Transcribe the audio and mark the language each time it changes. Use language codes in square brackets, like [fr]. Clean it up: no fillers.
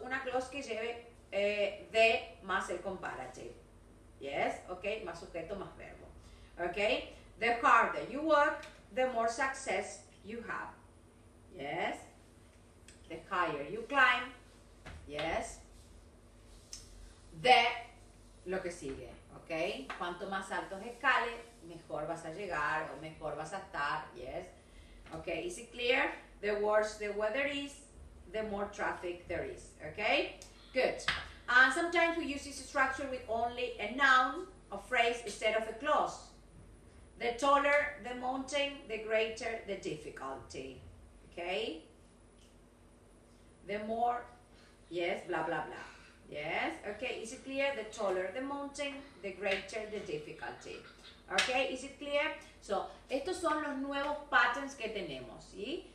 [es] Una clause que lleve de más el comparative. Yes? Okay? Más sujeto, más verbo. Okay? [en] The harder you work, the more success you have. Yes? The higher you climb. Yes? [es] The, lo que sigue, okay? Cuanto más altos escales, mejor vas a llegar o mejor vas a estar, yes? [en] Okay, is it clear? The worse the weather is, the more traffic there is. Okay, good. And sometimes we use this structure with only a noun, a phrase, instead of a clause. The taller the mountain, the greater the difficulty. Okay? The more, yes, blah, blah, blah. Yes, okay, is it clear? The taller the mountain, the greater the difficulty. Okay, is it clear? [es] So, estos son los nuevos patterns que tenemos, ¿sí?